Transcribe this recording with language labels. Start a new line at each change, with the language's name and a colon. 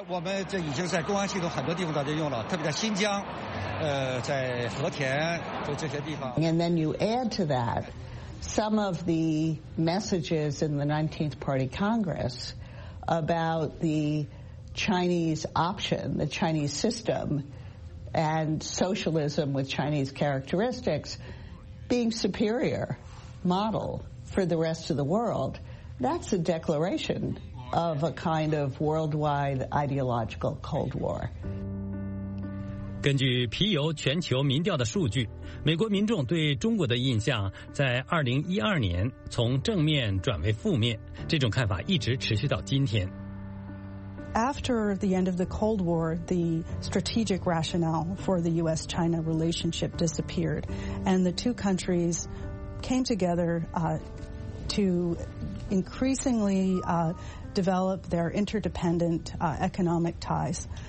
Chinese: 我们这已经在公安系统很多地方都在用了，特别在新疆，在和田，就这些地方。
English: And then you add to that some of the messages in the 19th Party Congress about the Chinese option, the Chinese system, and socialism with Chinese characteristics being superior model for the rest of the world. That's a declaration of a kind of worldwide ideological Cold War.
Chinese: 根据皮尤全球民调的数据，美国民众对中国的印象在2012年从正面转为负面，这种看法一直持续到今天。
English: After the end of the Cold War, the strategic rationale for the U.S.-China relationship disappeared, and the two countries came together to increasingly develop their interdependent economic ties.